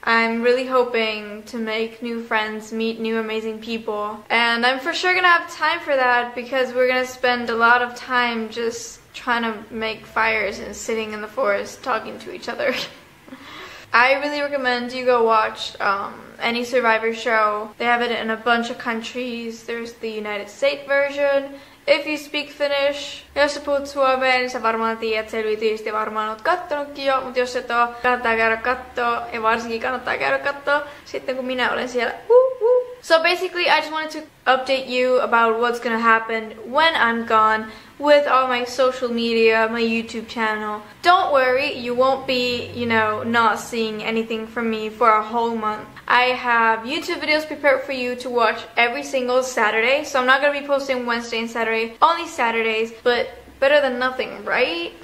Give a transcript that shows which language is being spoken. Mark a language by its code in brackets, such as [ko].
[en] I'm really hoping to make new friends, meet new amazing people, and I'm for sure gonna have time for that because we're gonna spend a lot of time just trying to make fires and sitting in the forest talking to each other. I really recommend you go watch any Survivor show. They have it in a bunch of countries. There's the United States version. If you speak Finnish, [fi] jos puhut suomea, niin sä varmaan tiedät selvitysti, varmaan oot kattonutkin jo, mutta jos et oo, kannattaa käydä kattoo, ja varsinkin kannattaa käydä kattoo, sitten kun minä olen siellä. [en] So basically, I just wanted to update you about what's gonna happen when I'm gone with all my social media, my YouTube channel. Don't worry, you won't be, you know, not seeing anything from me for a whole month. I have YouTube videos prepared for you to watch every single Saturday, so I'm not gonna be posting Wednesday and Saturday, only Saturdays, but better than nothing, right?